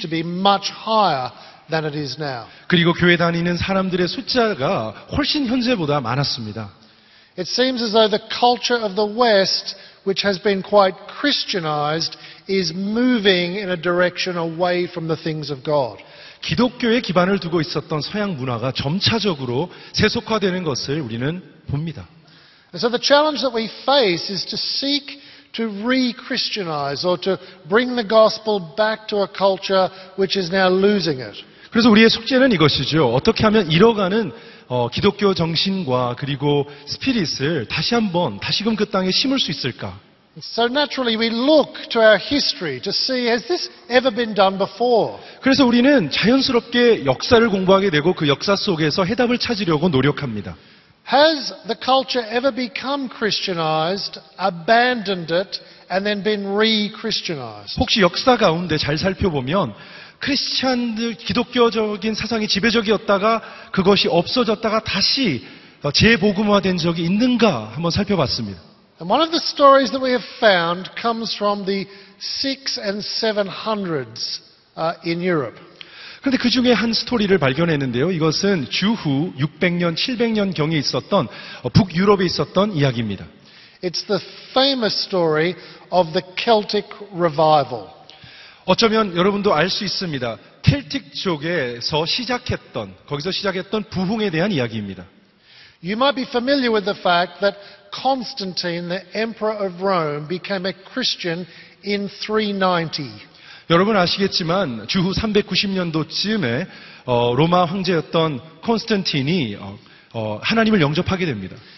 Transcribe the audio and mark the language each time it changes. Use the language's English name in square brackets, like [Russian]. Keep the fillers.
[English] to be much higher than it is now. [Korean] 그리고 교회 다니는 사람들의 숫자가 훨씬 현재보다 많았습니다. [English] It seems as though the culture of the West, which has been quite Christianized, is moving in a direction away from the things of God. [Korean] 기독교의 기반을 두고 있었던 서양 문화가 점차적으로 세속화되는 것을 우리는 봅니다. [English] And so the challenge that we face is to seek to re Christianize or to bring the gospel back to a culture which is now losing it. [Korean] 그래서 우리의 숙제는 이것이죠. 어떻게 하면 잃어가는 어, 기독교 정신과 그리고 스피릿을 다시 한번 다시금 그 땅에 심을 수 있을까? [English] So naturally we look to our history to see has this ever been done before. [Korean] 그래서 우리는 자연스럽게 역사를 공부하게 되고 그 역사 속에서 해답을 찾으려고 노력합니다. [English] Has the culture ever become Christianized, abandoned it, and then been re-Christianized? [Korean] 혹시 역사 가운데 잘 살펴보면 기독교적인 사상이 지배적이었다가 그것이 없어졌다가 다시 재복음화된 적이 있는가 한번 살펴봤습니다. [English] And one of the stories that we have found comes from the 600s and 700s in Europe. [Korean] 그런데 그 중에 한 스토리를 발견했는데요. 이것은 주후 600년, 700년 경에 있었던 북유럽에 있었던 이야기입니다. [English] It's the famous story of the Celtic revival. [Korean] 어쩌면 여러분도 알 수 있습니다. 켈틱 쪽에서 시작했던 거기서 시작했던 부흥에 대한 이야기입니다. [English] You might be familiar with the fact that Constantine, the emperor of Rome, became a Christian in 390. [Korean] 여러분 아시겠지만 주후 390년도쯤에 어, 로마 황제였던 콘스탄틴이 어, 어, 하나님을 영접하게 됩니다.